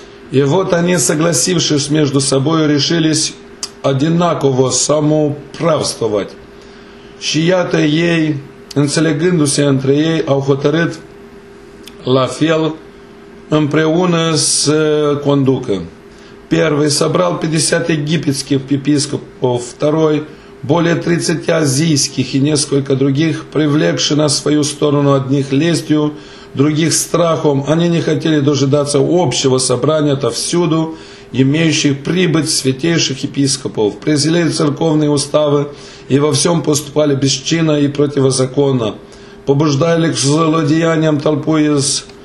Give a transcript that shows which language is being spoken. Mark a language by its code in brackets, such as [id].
[ru] И вот они, согласившись между собою, решились одинаково самоуправствовать. [ro] Și iată ei, înțelegându-se între ei, au hotărât la fel împreună să conducă. [ru] Первый собрал 50 египетских епископов, второй более 30 азийских и несколько других, привлекши на свою сторону одних лестью, других страхом, они не хотели дожидаться общего собрания отовсюду, имеющих прибыть святейших епископов, презирали церковные уставы и во всем поступали бесчинно и противозаконно, побуждали к злодеяниям толпу из